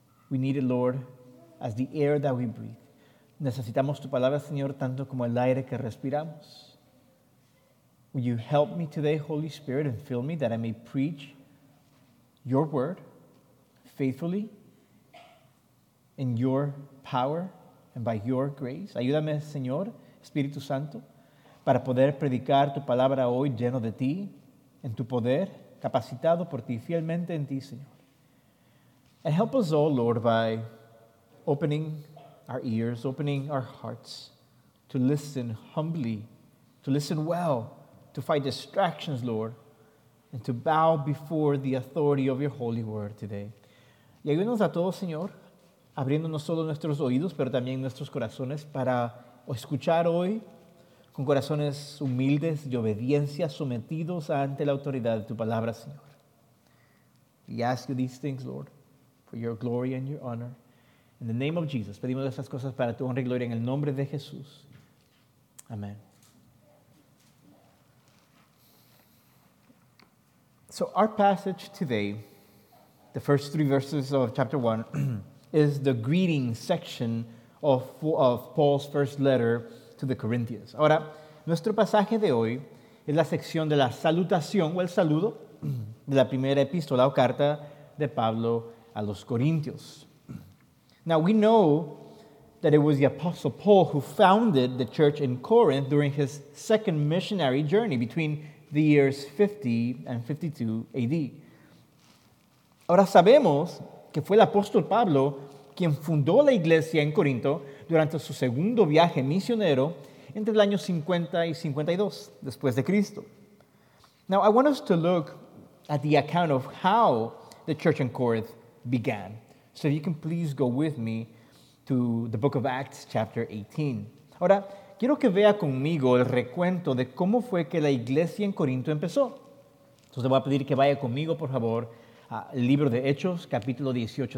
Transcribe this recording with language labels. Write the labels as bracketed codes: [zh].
[en] We need it, Lord, as the air that we breathe. [es] Necesitamos tu palabra, Señor, tanto como el aire que respiramos. [en] Will you help me today, Holy Spirit, and fill me that I may preach your word faithfully in your power and by your grace? [es] Ayúdame, Señor, Espíritu Santo, para poder predicar tu palabra hoy lleno de ti, en tu poder, capacitado por ti, fielmente en ti, Señor. [en] And help us all, Lord, by opening our ears, opening our hearts to listen humbly, to listen well, to fight distractions, Lord, and to bow before the authority of your holy word today. [es] Y ayúdanos a todos, Señor, abriendo no solo nuestros oídos, pero también nuestros corazones para escuchar hoy con corazones humildes y obediencia sometidos ante la autoridad de tu palabra, Señor. [en] We ask you these things, Lord, for your glory and your honor. In the name of Jesus, [es] pedimos estas cosas para tu honra y gloria en el nombre de Jesús. Amén. [en] So our passage today, the first three verses of chapter 1, is the greeting section of Paul's first letter to the Corinthians. [es] Ahora, nuestro pasaje de hoy es la sección de la salutación o el saludo de la primera epístola o carta de Pablo a los Corintios. [en] Now, we know that it was the Apostle Paul who founded the church in Corinth during his second missionary journey between the years 50 and 52 AD. [es] Ahora sabemos que fue el apóstol Pablo quien fundó la iglesia en Corinto durante su segundo viaje misionero entre el año 50 y 52 después de Cristo. [en] Now I want us to look at the account of how the church in Corinth began. So if you can please go with me to the book of Acts chapter 18. [es] Ahora, quiero que vea conmigo el recuento de cómo fue que la iglesia en Corinto empezó. Entonces, le voy a pedir que vaya conmigo, por favor, al libro de Hechos, capítulo 18.